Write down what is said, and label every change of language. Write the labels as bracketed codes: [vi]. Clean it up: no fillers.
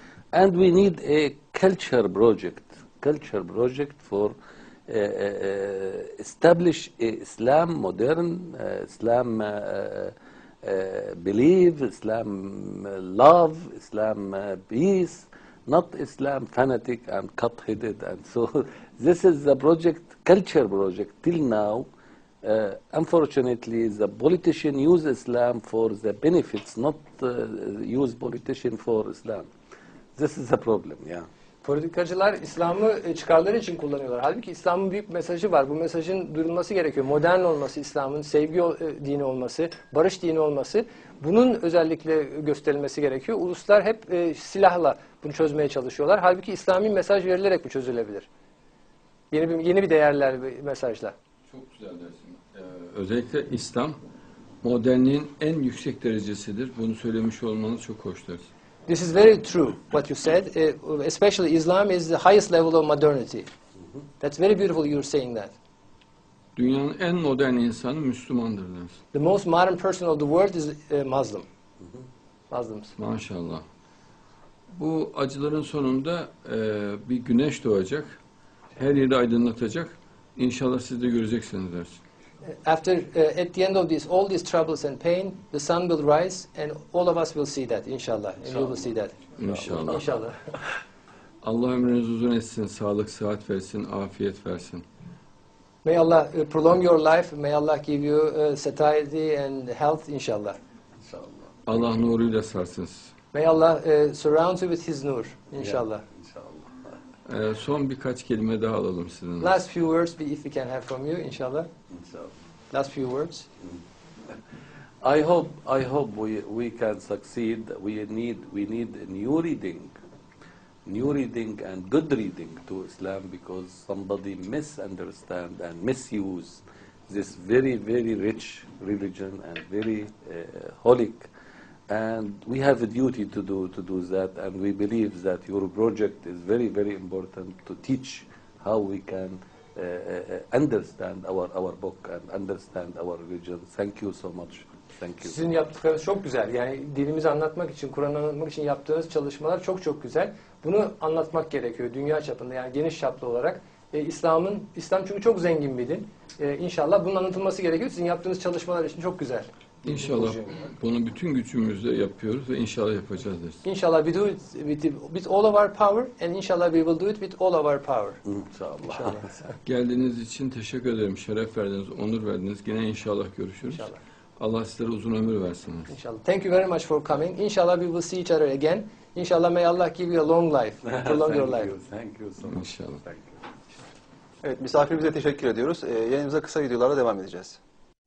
[en] And we need a culture project for establish Islam modern, Islam belief, Islam love, Islam peace, not Islam fanatic and cut-headed. And so this is the project, culture project. Till now, unfortunately, the politician use Islam for the benefits, not use politician for Islam. This is a problem, yeah. [tr] Politikacılar İslam'ı çıkarları için kullanıyorlar. Halbuki İslam'ın büyük mesajı var. Bu mesajın duyulması gerekiyor. Modern olması İslam'ın, sevgi dini olması, barış dini olması. Bunun özellikle gösterilmesi gerekiyor. Uluslar hep silahla bunu çözmeye çalışıyorlar. Halbuki İslami mesaj verilerek bu çözülebilir. Yeni bir değerler, bir mesajla. Çok güzel dersin. Özellikle İslam modernliğin en yüksek derecesidir. Bunu söylemiş olmanız çok hoş dersin. [en] This is very true, what you said. Especially Islam is the highest level of modernity. That's very beautiful you're saying that. [tr] Dünyanın en modern insanı Müslümandır. [en] The most modern person of the world is Muslim. Muslims. [tr] Maşallah. bu acıların sonunda bir güneş doğacak, her yeri aydınlatacak. İnşallah siz de göreceksiniz dersin. [en] After at the end of this, all these troubles and pain, the sun will rise and all of us will see that. Inshallah, we will see that. [tr] İnşallah. İnşallah. Allah ömrünüz uzun etsin, sağlık, sıhhat versin, afiyet versin. [en] May Allah prolong your life, may Allah give you satiety and health, inşallah. [tr] İnşallah. Allah nuruyla sarsın. [en] May Allah surround you with his nur, inşallah. [tr] İnşallah. Son birkaç kelime daha alalım sizden. [en] Last few words, if we can have from you, inşallah. İnşallah. Last few words. I hope we can succeed. We need new reading and good reading to Islam, because somebody misunderstand and misuse this very, very rich religion and very holy. And we have a duty to do that, and we believe that your project is very, very important to teach how we can understand our book and understand our religion. Thank you so much. Thank you. [tr] Sizin yaptıklarınız çok güzel. Yani dinimizi anlatmak için, Kur'an'ı anlatmak için yaptığınız çalışmalar çok çok güzel. Bunu anlatmak gerekiyor dünya çapında, yani geniş çaplı olarak. İslam çünkü çok zengin bir din. İnşallah bunun anlatılması gerekiyor. Sizin yaptığınız çalışmalar için çok güzel. İnşallah bunu bütün gücümüzle yapıyoruz ve inşallah yapacağız dersin. [en] İnşallah we do it with all of our power and inşallah we will do it with all of our power. [tr] İnşallah. Geldiğiniz için teşekkür ederim. Şeref verdiniz, onur verdiniz. Yine inşallah görüşürüz. İnşallah. Allah sizlere uzun ömür versin. [en] İnşallah. Thank you very much for coming. İnşallah we will see each other again. İnşallah may Allah give you a long life. Prolong your life. Thank you so much. [tr] İnşallah. Evet, misafirimize teşekkür ediyoruz. Yayınımıza kısa videolarla devam edeceğiz.